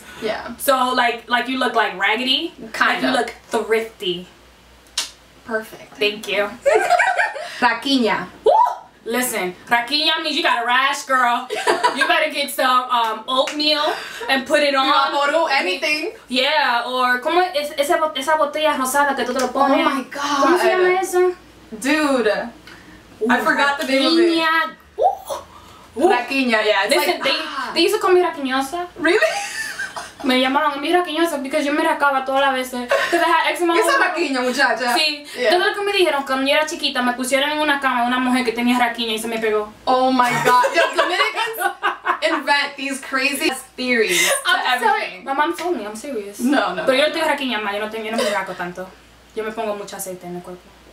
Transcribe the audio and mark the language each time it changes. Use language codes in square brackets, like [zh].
[en] Yeah. So, like you look like raggedy? Kind of. You look thrifty. Perfect. Thank you. [es] Raquiña. Woo! [en] Listen, raquiña means you got a rash, girl. You better get some oatmeal and put it on. Vaporú, anything. [es] Yeah, or como es esa botella rosada que tú te lo pones. [en] Oh my god. [es] ¿Cómo se llama eso? [en] Dude. Ooh, I forgot [es] raquiña. [en] The name of it. [es] Raquiña. [en] Raquiña, yeah. It's Listen, like, they used to call me raquiñosa. Really? [es] Me llamaron mi raquiñosa because yo me racaba todas las veces. Because I had eczema. Esa raquiña, muchacha. Sí. Yeah. Todo lo que me dijeron cuando yo era chiquita, me pusieron en una cama una mujer que tenía raquiña y se me pegó. [en] Oh my god. Yo, Dominicans invent these crazy theories to everything. My mom told me, I'm serious. No. [es] Pero yo no tengo raquiña más, yo no me raco tanto. Yo me pongo mucho aceite en el cuerpo.